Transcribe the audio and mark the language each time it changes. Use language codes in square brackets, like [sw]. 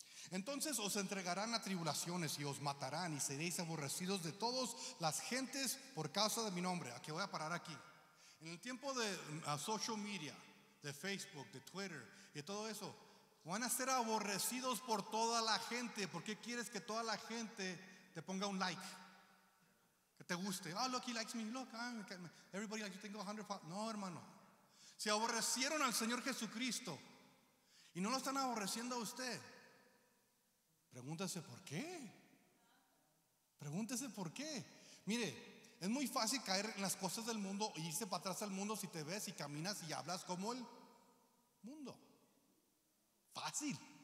[es] Entonces os entregarán a tribulaciones y os matarán y seréis aborrecidos de todas las gentes por causa de mi nombre. Aquí voy a parar aquí. En el tiempo de social media, de Facebook, de Twitter y de todo eso, van a ser aborrecidos por toda la gente. ¿Por qué quieres que toda la gente te ponga un like? Te guste, [en] oh, look, he likes me, look, everybody likes you, [es] tengo 100 followers. No, hermano, se aborrecieron al Señor Jesucristo y no lo están aborreciendo a usted. Pregúntese por qué. Pregúntese por qué. Mire, es muy fácil caer en las cosas del mundo e irse para atrás al mundo si te ves y caminas y hablas como el mundo. Fácil.